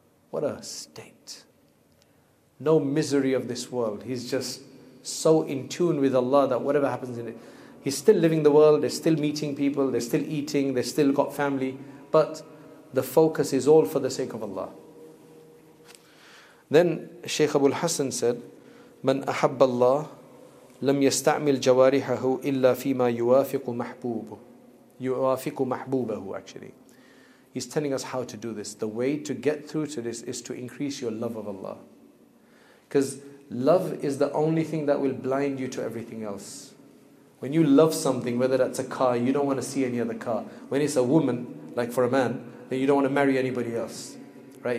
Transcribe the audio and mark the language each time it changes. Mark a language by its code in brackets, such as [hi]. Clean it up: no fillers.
[en] What a state. No misery of this world. He's just so in tune with Allah that whatever happens in it, he's still living the world, they're still meeting people, they're still eating, they've still got family, but the focus is all for the sake of Allah. Then Shaykh Abu al-Hassan said, [ar] من أحب الله لم يستعمل جوارحه إلا فيما يوافق محبوبه. يوافق محبوبه, [en] actually. He's telling us how to do this. The way to get through to this is to increase your love of Allah. Because love is the only thing that will blind you to everything else. When you love something, whether that's a car, you don't want to see any other car. When it's a woman, like for a man, then you don't want to marry anybody else. Right?